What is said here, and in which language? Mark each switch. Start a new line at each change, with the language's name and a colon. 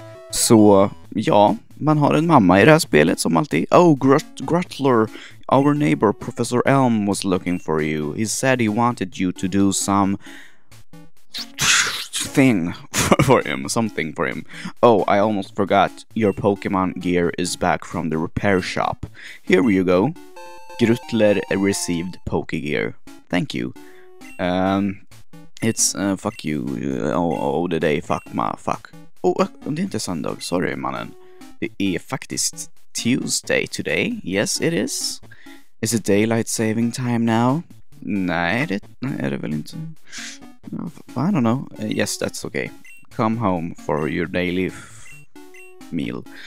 Swedish: Så, ja, man har en mamma i det här spelet som alltid.
English: Oh, Grutler, our neighbor Professor Elm was looking for you. He said he wanted you to do some thing for him, something for him. Oh, I almost forgot, your Pokémon gear is back from the repair shop. Here you go. Grutler received Pokégear. Thank you. It's, fuck you, oh, the day, fuck ma, fuck.
Swedish: Oh, det är inte söndag. Sorry, mannen. Det är faktiskt
English: Tuesday today.
Swedish: Yes, it is.
English: Is it daylight saving time now?
Swedish: Nej, det är det väl inte.
English: No, I don't know. Yes, that's okay. Come home for your daily meal.